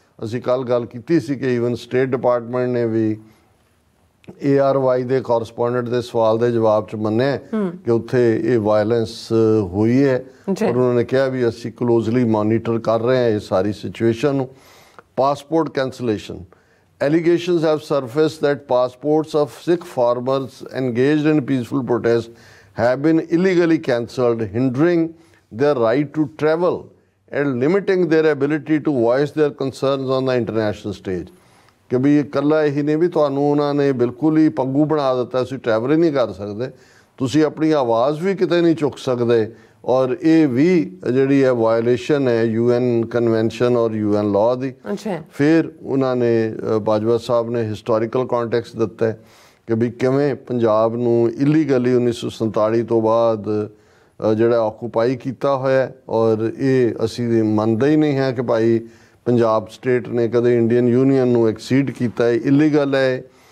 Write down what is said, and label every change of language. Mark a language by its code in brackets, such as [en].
[pa] ਅਸੀਂ ਕੱਲ੍ਹ ਗੱਲ ਕੀਤੀ ਸੀ ਕਿ ਈਵਨ ਸਟੇਟ ਡਿਪਾਰਟਮੈਂਟ ਨੇ ਵੀ ARY ਦੇ ਕੋਰਸਪੋਂਡੈਂਟ ਦੇ ਸਵਾਲ ਦੇ ਜਵਾਬ 'ਚ ਮੰਨਿਆ ਕਿ ਉੱਥੇ ਇਹ ਵਾਇਲੈਂਸ ਹੋਈ ਹੈ, ਔਰ ਉਹਨਾਂ ਨੇ ਕਿਹਾ ਵੀ ਅਸੀਂ ਕਲੋਜ਼ਲੀ ਮੋਨੀਟਰ ਕਰ ਰਹੇ ਹਾਂ ਇਹ ਸਾਰੀ ਸਿਚੁਏਸ਼ਨ ਨੂੰ। Passport cancellation, [en] Allegations have surfaced that passports of Sikh farmers engaged in peaceful protests have been illegally cancelled, hindering their right to travel and limiting their ability to voice their concerns on the international stage. [pa] ਕਿ ਵੀ ਇਕੱਲਾ ਇਹੀ ਨਹੀਂ ਵੀ ਤੁਹਾਨੂੰ ਉਹਨਾਂ ਨੇ ਬਿਲਕੁਲ ਹੀ ਪੰਗੂ ਬਣਾ ਦਿੱਤਾ, ਅਸੀਂ ਟਰੈਵਲ ਹੀ ਨਹੀਂ ਕਰ ਸਕਦੇ, ਤੁਸੀਂ ਆਪਣੀ ਆਵਾਜ਼ ਵੀ ਕਿਤੇ ਨਹੀਂ ਚੁੱਕ ਸਕਦੇ, ਔਰ ਇਹ ਵੀ ਜਿਹੜੀ ਹੈ ਵਾਇਲੇਸ਼ਨ ਹੈ UN ਕਨਵੈਨਸ਼ਨ ਔਰ UN ਲਾਅ ਦੀ। ਫਿਰ ਉਹਨਾਂ ਨੇ ਬਾਜਵਾ ਸਾਹਿਬ ਨੇ ਹਿਸਟੋਰੀਕਲ ਕੰਟੈਕਸਟ ਦਿੱਤਾ ਕਿ ਵੀ ਕਿਵੇਂ ਪੰਜਾਬ ਨੂੰ ਇਲੀਗਲੀ 1947 ਤੋਂ ਬਾਅਦ ਜਿਹੜਾ ਆਕੂਪਾਈ ਕੀਤਾ ਹੋਇਆ, ਔਰ ਇਹ ਅਸੀਂ ਮੰਨਦੇ ਹੀ ਨਹੀਂ ਹੈ ਕਿ ਭਾਈ ਪੰਜਾਬ ਸਟੇਟ ਨੇ ਕਦੇ ਇੰਡੀਅਨ ਯੂਨੀਅਨ ਨੂੰ ਐਕਸੀਡ ਕੀਤਾ, ਇਹ ਇਲੀਗਲ ਹੈ।